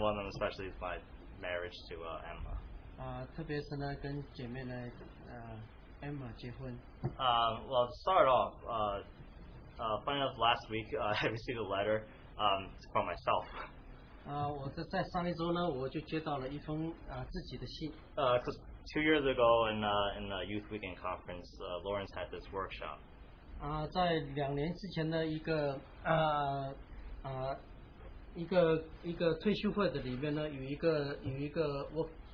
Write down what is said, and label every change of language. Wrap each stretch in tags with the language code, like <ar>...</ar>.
<en>one of them, especially, is my marriage to Emma.</en> <zh>特别是呢，跟姐妹呢，Emma结婚。</zh> <en>Well, to start off, funny enough, last week I received a letter from myself.</en> <zh>我在上一周呢，我就接到了一封自己的信。</zh> <en>Cause 2 years ago in the youth weekend conference, Lawrence had this workshop.</en> <zh>在2年之前的一个退休会的里面呢，有一个 work</zh>